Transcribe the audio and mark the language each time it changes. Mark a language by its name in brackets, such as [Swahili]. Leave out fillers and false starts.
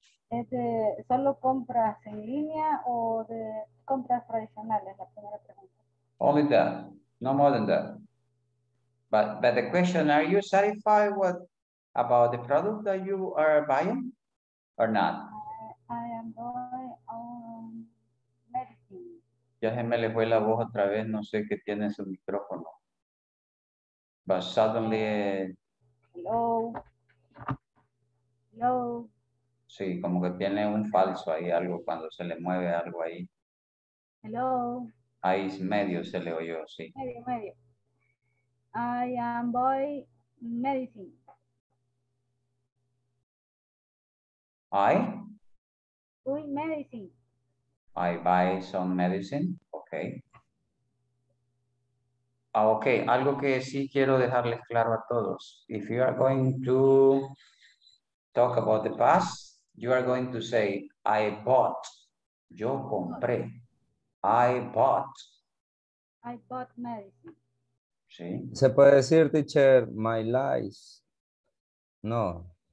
[Spanish] ¿Es de solo compras en línea o de compras tradicionales? La primera pregunta. [English] Only that, no more than that. But the question, are you satisfied with about the product that you are buying or not? I am going on medicine. [Spanish] Ya se me le fue la voz otra vez, no sé qué tiene su micrófono. [English] But suddenly... Hello. Hello. [Spanish] Sí, como que tiene un falso ahí, algo cuando se le mueve algo ahí. [English] Hello. [Spanish] Ahí medio se le oyó, sí. Medio, medio. [English] I am boy medicine. I? Boy medicine. I buy some medicine, okay. [Spanish] Okay, algo que sí quiero dejarles claro a todos. [English] If you are going to talk about the past, you are going to say, I bought. [Spanish] Yo compré. [English] I bought. I bought medicine. [Spanish] Sí. Se puede decir, teacher, my life. No.